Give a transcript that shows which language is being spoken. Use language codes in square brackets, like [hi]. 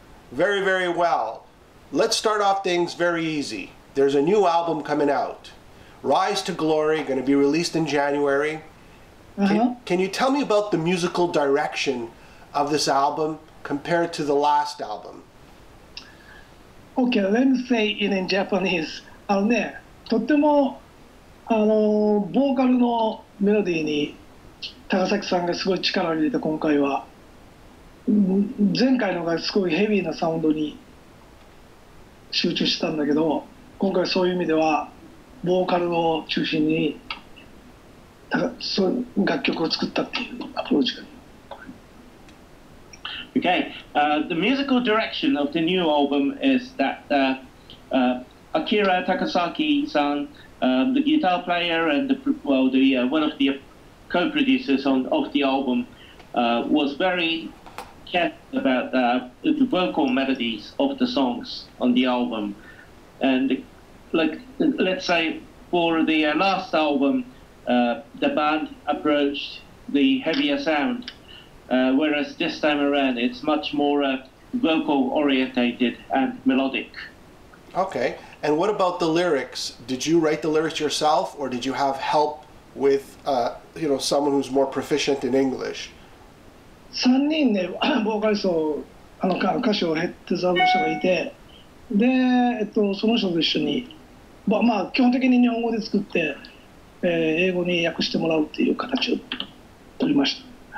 [en] Very, very well. Let's start off things very easy. There's a new album coming out, Rise to Glory, going to be released in January. Can you tell me about the musical direction of this album compared to the last album? Okay, let me say it in Japanese. [ja] あのね、とってもあのボーカルのメロディーに高崎さんがすごい力を入れて今回は、前回のがすごいヘビーなサウンドに集中したんだけど、今回そういう意味ではボーカルを中心に楽曲を作ったっていうアプローチが。 [en] Okay, the musical direction of the new album is that Akira Takasaki-san, the guitar player and one of the co-producers of the album, was very careful about the vocal melodies of the songs on the album. And let's say for the last album, the band approached the heavier sound. Whereas this time around, it's much more vocal orientated and melodic. Okay. And what about the lyrics? Did you write the lyrics yourself, or did you have help with, someone who's more proficient in English? [ja] 3人ね、ボーカリスト、あの歌詞を手伝う人がいて、で、その人と一緒に、まあ基本的に日本語で作って、英語に訳してもらうっていう形を取りました。